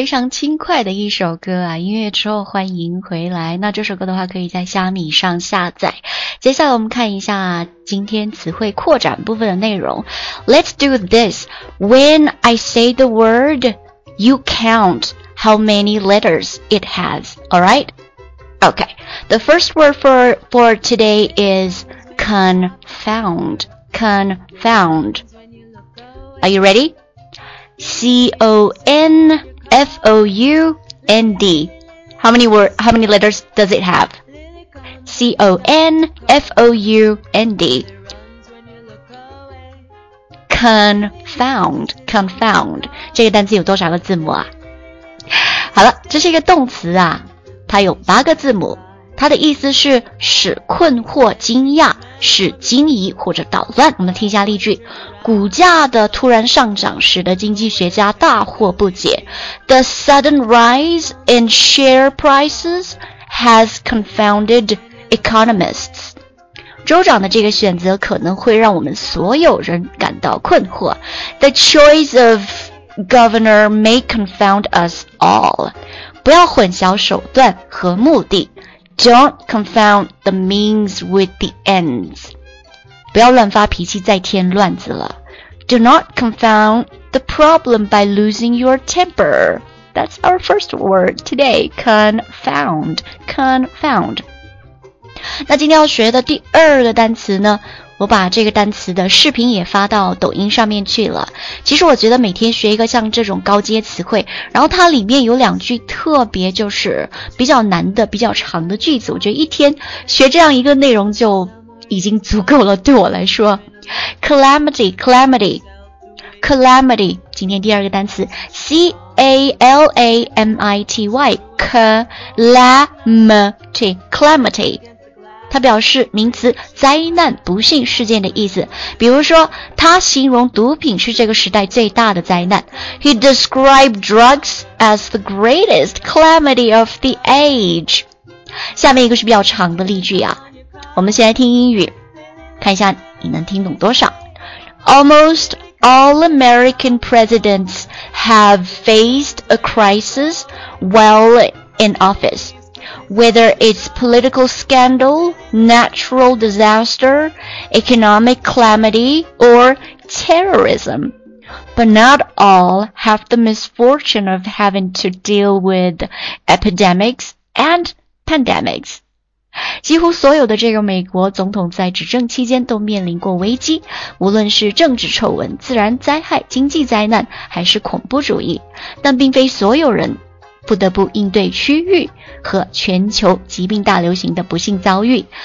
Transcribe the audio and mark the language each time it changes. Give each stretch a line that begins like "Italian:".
Chinese: 轻快的一首歌啊，音乐之后欢迎回来。那这首歌的话可以在虾米上下载。接下来我们看一下今天词汇扩展部分的内容。
English: Let's do this. When I say the word, you count how many letters it has. Alright? Okay. The first word for today is confound. Confound. Are you ready? C-O-N-F-O-U-N-D. How many letters does it have? C-O-N-F-O-U-N-D. Confound. Confound.
Chinese: 这个单词有多少个字母啊？好了，这是一个动词啊，它有八个字母，它的意思是使困惑惊讶，使惊疑或者捣乱。我们听一下例句。股价的突然上涨使得经济学家大惑不解。
English: The sudden rise in share prices has confounded economists.
Chinese: 州长的这个选择可能会让我们所有人感到困惑。
English: The choice of governor may confound us all.
Chinese: 不要混淆手段和目的。
English: Don't confound the means with the ends.
Chinese: 不要乱发脾气再添乱子了。
English: Do not confound the problem by losing your temper. That's our first word today. Confound. Confound.
Chinese: 那今天要学的第二个单词呢，我把这个单词的视频也发到抖音上面去了。其实我觉得每天学一个像这种高阶词汇，然后它里面有两句特别就是比较难的比较长的句子，我觉得一天学这样一个内容就已经足够了。对我来说 Calamity Calamity Calamity 今天第二个单词 C-A-L-A-M-I-T-Y Calamity Calamity它表示名词灾难不幸事件的意思，比如说它形容毒品是这个时代最大的灾难。
English: He described drugs as the greatest calamity of the age.
Chinese: 下面一个是比较长的例句啊，我们先来听英语，看一下你能听懂多少。
English: Almost all American presidents have faced a crisis while in office. Whether it's political scandal, natural disaster, economic calamity, or terrorism. But not all have the misfortune of having to deal with epidemics and pandemics.
Chinese: 几乎所有的这个美国总统在执政期间都面临过危机，无论是政治丑闻、自然灾害、经济灾难，还是恐怖主义。但并非所有人不得不应对区域和全球疾病大流行的不幸遭遇。